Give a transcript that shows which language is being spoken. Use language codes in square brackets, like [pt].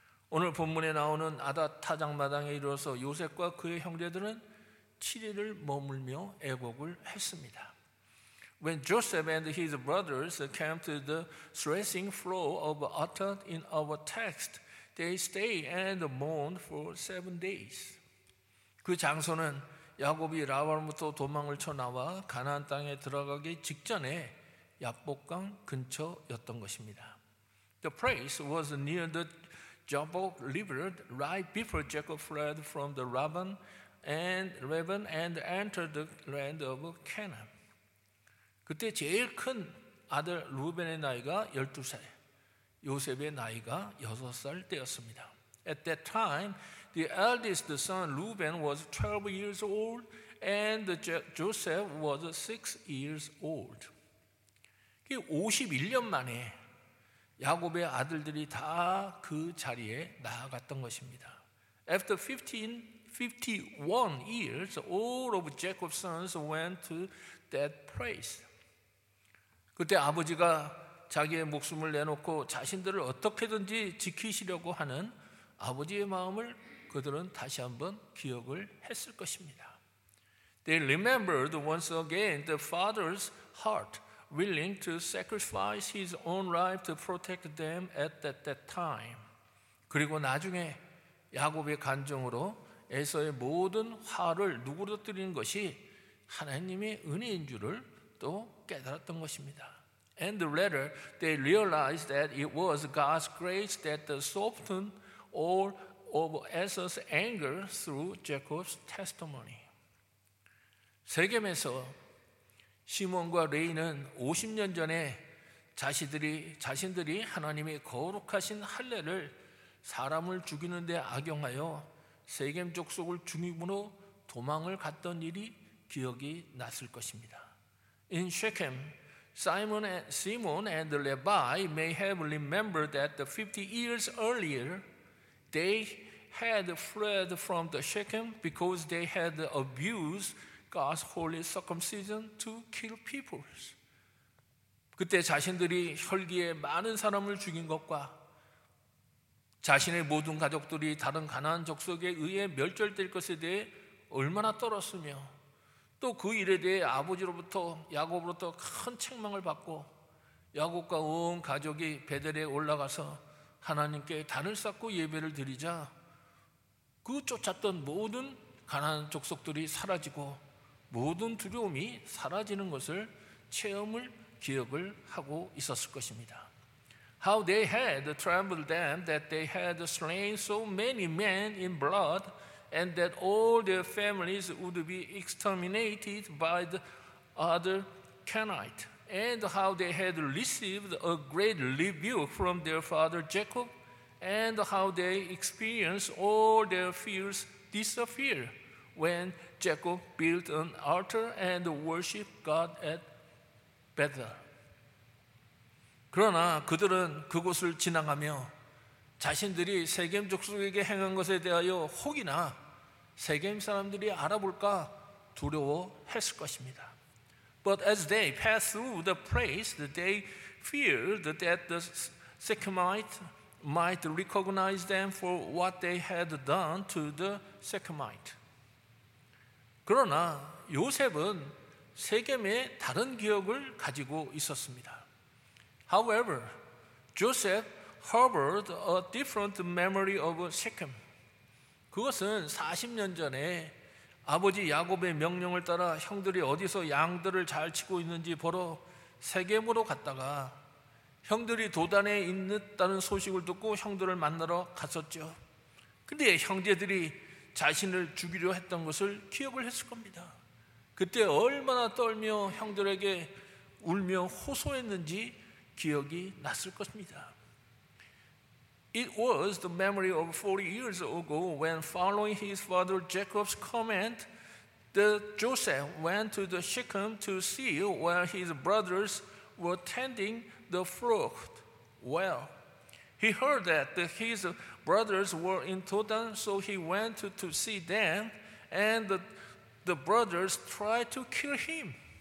[ko] 오늘 본문에 나오는 아닥타작마당에 이르러서 요셉과 그의 형제들은 7일을 머물며 애곡을 했습니다. [en] when Joseph and his brothers came to the threshing floor of uttered in our text, they stayed and mourned for 7 days. [ko] 그 장소는 야곱이 라반으로부터 도망을 쳐나와 가나안 땅에 들어가기 직전에 얍복강 근처였던 것입니다. [en] The place was near the Jabbok River right before Jacob fled from the Laban and entered the land of Canaan. [ko] 그때 제일 큰 아들 루벤의 나이가 12살, 요셉의 나이가 6살 때였습니다. [en] At that time, the eldest son Reuben was 12 years old and Joseph was 6 years old. [ko] 51년 만에 야곱의 아들들이 다 그 자리에 나아갔던 것입니다. [en] After 51 years, all of Jacob's sons went to that place. [ko] 그때 아버지가 자기의 목숨을 내놓고 자신들을 어떻게든지 지키시려고 하는 아버지의 마음을 그들은 다시 한번 기억을 했을 것입니다. [en] They remembered once again the father's heart, willing to sacrifice his own life to protect them at that time. [ko] 그리고 나중에 야곱의 간증으로 에서의 모든 화를 누그러뜨리는 것이 하나님의 은혜인 줄을 또 깨달았던 것입니다. [en] And later, they realized that it was God's grace that softened all of Esau's anger through Jacob's testimony. [ko] 세겜에서 시몬과 레이는 50년 전에 자신들이 하나님의 거룩하신 할례를 사람을 죽이는 데 악용하여 세겜 족속을 죽임으로 도망을 갔던 일이 기억이 났을 것입니다. [en] In Shechem, Simon and Levi may have remembered that 50 years earlier, they had fled from the Shechem because they had abused God's holy circumcision to kill people. [ko] 그때 자신들이 혈기에 많은 사람을 죽인 것과 자신의 모든 가족들이 다른 가나안 족속에 의해 멸절될 것에 대해 얼마나 떨었으며 또 그 일에 대해 아버지로부터 야곱으로부터 큰 책망을 받고 야곱과 온 가족이 베델에 올라가서 하나님께 단을 쌓고 예배를 드리자 그 쫓았던 모든 가나안 족속들이 사라지고 모든 두려움이 사라지는 것을 체험을 기억을 하고 있었을 것입니다. [en] How they had trembled then that they had slain so many men in blood and that all their families would be exterminated by the other Canaanites. And how they had received a great rebuke from their father Jacob and how they experienced all their fears disappear when Jacob built an altar and worshiped God at Bethel. [ko] 그러나 그들은 그곳을 지나가며 자신들이 세겜 족속에게 행한 것에 대하여 혹이나 세겜 사람들이 알아볼까 두려워했을 것입니다. [en] But as they passed through the place, they feared that the Shechemites might recognize them for what they had done to the Shechemites. [ko] 그러나 요셉은 세겜의 다른 기억을 가지고 있었습니다. [en] However, Joseph harbored a different memory of Shechem. [ko] 그것은 40년 전에 아버지 야곱의 명령을 따라 형들이 어디서 양들을 잘 치고 있는지 보러 세겜으로 갔다가 형들이 도단에 있는다는 소식을 듣고 형들을 만나러 갔었죠. 근데 형제들이 자신을 죽이려 했던 것을 기억을 했을 겁니다. 그때 얼마나 떨며 형들에게 울며 호소했는지 기억이 났을 것입니다. [en] It was the memory of 40 years ago when following his father Jacob's command, Joseph went to the Shechem to see where his brothers were tending the flock well. He heard that his brothers were in Dothan, so he went to see them, and the brothers tried to kill him.